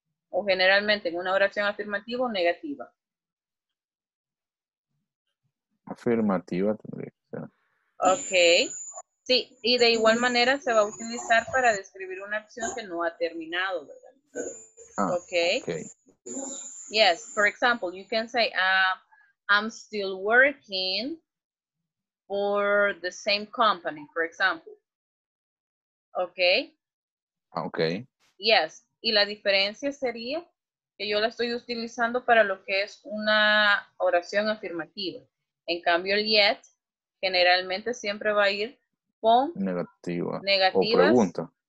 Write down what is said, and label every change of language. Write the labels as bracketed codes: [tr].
[es] O generalmente en una oración afirmativa o negativa. Afirmativa tendría que ser. [en] Ok. [es] Sí, y de igual manera se va a utilizar para describir una acción que no ha terminado, ¿verdad? [en] Ah, okay. Yes, for example, you can say, I'm still working for the same company, for example. Okay? Okay. [es] Yes, y la diferencia sería que yo la estoy utilizando para lo que es una oración afirmativa. En cambio, el yet generalmente siempre va a ir con negativa. Negativas o pregunta.